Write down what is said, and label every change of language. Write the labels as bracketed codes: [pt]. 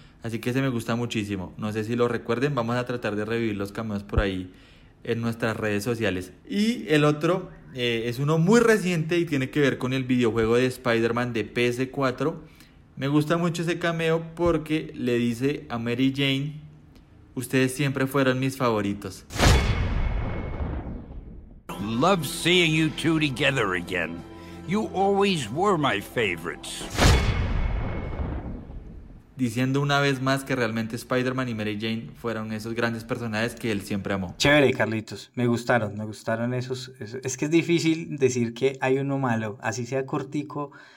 [es] Así que ese me gusta muchísimo. No sé si lo recuerden. Vamos a tratar de revivir los cameos por ahí en nuestras redes sociales. Y el otro es uno muy reciente y tiene que ver con el videojuego de Spider-Man de PS4. Me gusta mucho ese cameo porque le dice a Mary Jane: "Ustedes siempre fueron mis favoritos". [en] Love seeing you two together again. You always were my favorites. [es] Diciendo una vez más que realmente Spider-Man y Mary Jane fueron esos grandes personajes que él siempre amó. Chévere, Carlitos. Me gustaron esos. Es que es difícil decir que hay uno malo, así sea cortico.